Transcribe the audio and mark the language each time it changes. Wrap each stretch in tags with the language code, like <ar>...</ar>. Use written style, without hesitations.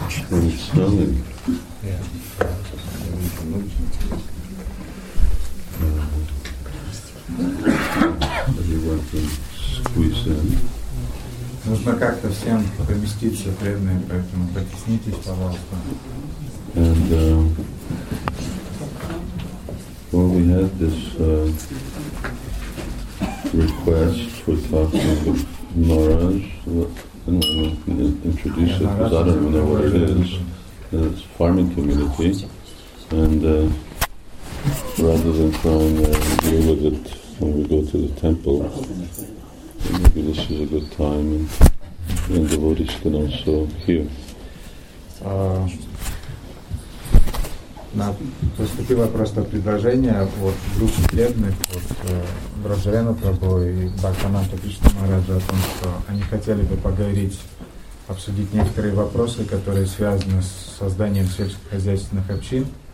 <en>When it's done, and you want to squeeze in.</en> <ru>Нужно как-то всем поместиться, преданные, поэтому потеснитесь, пожалуйста.</ru> <en>And well, we had this request for talking with Maharaj. I don't know if I can introduce it, because I don't even know what it is. It's a farming community. And rather than trying to deal with it when we go to the temple, maybe this is a good time, and devotees can also hear.</en> <ru>На поступило просто предложение от группы преданных, от Бражена Прабху и Бхактананда Кришна Махараджа о том, что они хотели бы поговорить, обсудить некоторые вопросы, которые связаны с созданием сельскохозяйственных общин.</ru>